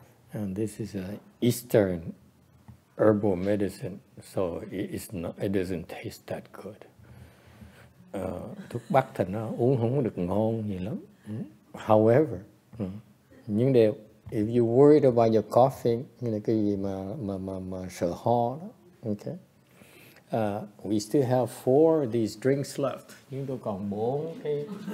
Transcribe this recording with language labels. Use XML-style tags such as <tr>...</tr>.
<en>And this is an Eastern herbal medicine, so it doesn't taste that good.</en> <vi>Thuốc bắc thật nó uống không được ngon gì lắm.</vi> <en>However,</en> <vi>nhưng đều,</vi> <en>if you worried about your coughing,</en> <vi>như là cái gì mà sợ ho đó, okay.</vi> <en>We still have four of these drinks left.</en> <vi>Nhưng tôi còn bốn cái.</vi>